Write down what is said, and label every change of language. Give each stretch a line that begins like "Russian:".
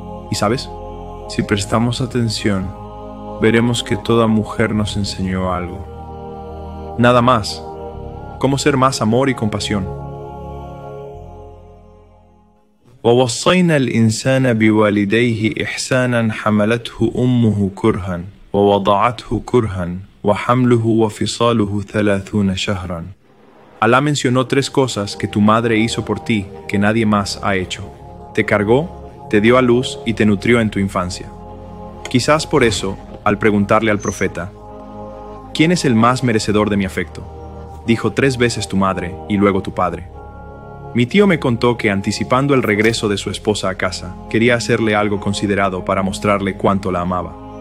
Spanish: ¿Y sabes? Si prestamos atención, veremos que toda mujer nos enseñó algo. Nada más. ¿Cómo ser más amor y compasión?
Arabic: ووصينا الإنسان بوالديه إحسانا حملته أمه كرها ووضعته كرها وحمله وفصاله 30 شهرا.
Spanish: Alá mencionó tres cosas que tu madre hizo por ti que nadie más ha hecho. Te cargó, te dio a luz y te nutrió en tu infancia. Quizás por eso, al preguntarle al profeta, ¿quién es el más merecedor de mi afecto? Dijo tres veces tu madre y luego tu padre. Mi tío me contó que anticipando el regreso de su esposa a casa, quería hacerle algo considerado para mostrarle cuánto la amaba.